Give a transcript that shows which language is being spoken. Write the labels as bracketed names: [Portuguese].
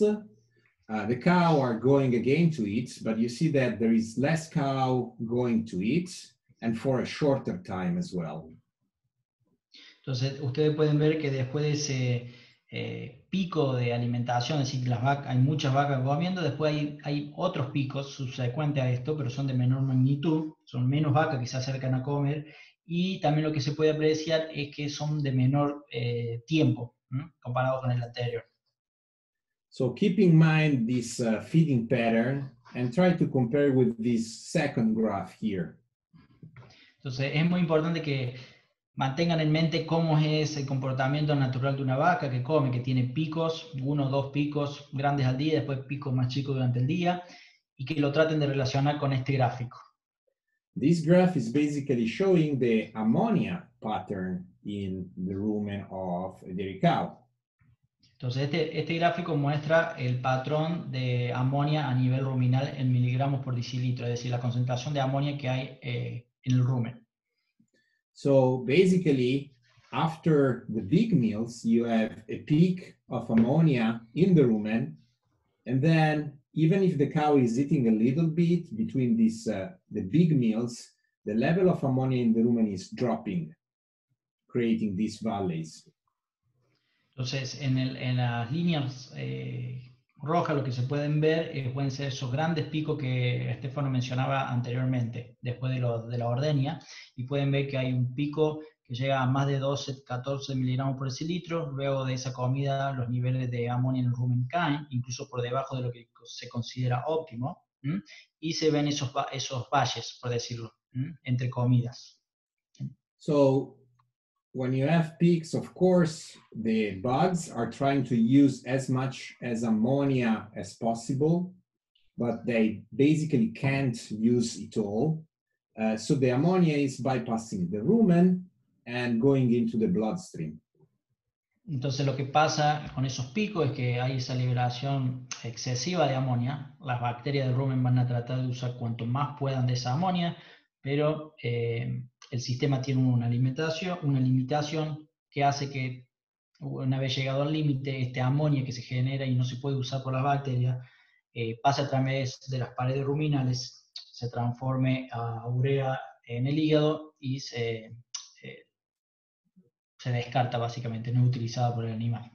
[English] The cow are going again to eat, but you see that there is less cow going to eat and for a shorter time as well. [Spanish] Entonces, ustedes pueden ver que después de ese pico de alimentación, es decir, las vacas, hay muchas vacas comiendo, después hay otros picos subsecuentes a esto, pero son de menor magnitud, son menos vacas que se acercan a comer, y también lo que se puede apreciar es que son de menor tiempo, ¿no?, comparado con el anterior. [English] So keep in mind this feeding pattern and try to compare with this second graph here. [Spanish] Entonces, es muy importante que mantengan en mente cómo es el comportamiento natural de una vaca que come, que tiene picos, uno o dos picos grandes al día, después picos más chicos durante el día, y que lo traten de relacionar con este gráfico. [English] This graph is basically showing the ammonia pattern in the rumen of a dairy cow. [Spanish] Entonces este gráfico muestra el patrón de amonía a nivel ruminal en miligramos por decilitro, es decir, la concentración de amonía que hay en el rumen. [English] So basically, after the big meals, you have a peak of ammonia in the rumen, and then even if the cow is eating a little bit between these the big meals, the level of ammonia in the rumen is dropping, creating these valleys. [Spanish] Entonces, en las líneas rojas, lo que se pueden ver pueden ser esos grandes picos que Estefano mencionaba anteriormente, después de la ordeña, y pueden ver que hay un pico que llega a más de 12, 14 miligramos por decilitro. Luego de esa comida, los niveles de amonía en el rumen caen, incluso por debajo de lo que se considera óptimo, ¿m? Y se ven esos valles, por decirlo, ¿m? Entre comidas. [English] So, when you have peaks, of course, the bugs are trying to use as much as ammonia as possible, but they basically can't use it all. So the ammonia is bypassing the rumen and going into the bloodstream. [Spanish] Entonces lo que pasa con esos picos es que hay esa liberación excesiva de ammonia. Las bacterias del rumen van a tratar de usar cuanto más puedan de esa ammonia, pero el sistema tiene una limitación que hace que, una vez llegado al límite, este amonio que se genera y no se puede usar por las bacterias, pasa a través de las paredes ruminales, se transforme a urea en el hígado y se descarta, básicamente, no es utilizada por el animal.